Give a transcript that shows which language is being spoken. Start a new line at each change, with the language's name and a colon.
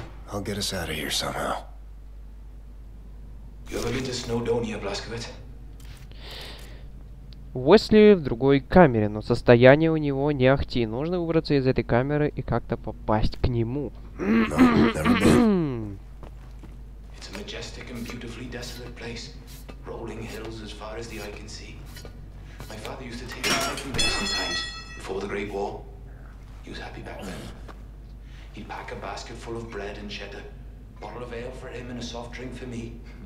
English: I'll get us out of here somehow. You ever been to Snowdonia, Blaskowitz?
Russian: Уэсли в другой камере, но состояние у него не ахти. Нужно выбраться из этой камеры и как-то попасть к нему.
English: It's a majestic and beautifully desolate place. Rolling hills as far as the eye can see. My father used to take me from there sometimes, before the Great War. He was happy back then. He'd pack a basket full of bread and cheddar, bottle of ale for him and a soft drink for me.